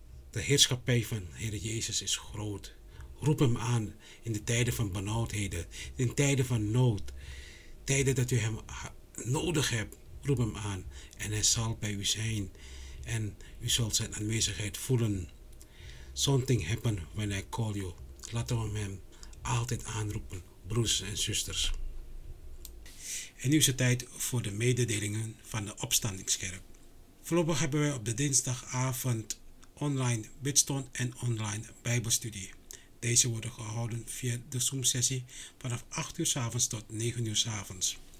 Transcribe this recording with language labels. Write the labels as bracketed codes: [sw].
[nl] De heerschappij van Heer Jezus is groot. Roep hem aan in de tijden van benauwdheden, in tijden van nood. Tijden dat u hem nodig hebt, roep hem aan en hij zal bij u zijn. En u zult zijn aanwezigheid voelen. [en] Something happen when I call you. [nl] Laten we hem altijd aanroepen, broers en zusters. En nu is het tijd voor de mededelingen van de Opstandingskerk. Voorlopig hebben wij op de dinsdagavond online bidstond en online bijbelstudie. Deze worden gehouden via de Zoom-sessie vanaf 8 uur 's avonds tot 9 uur 's avonds.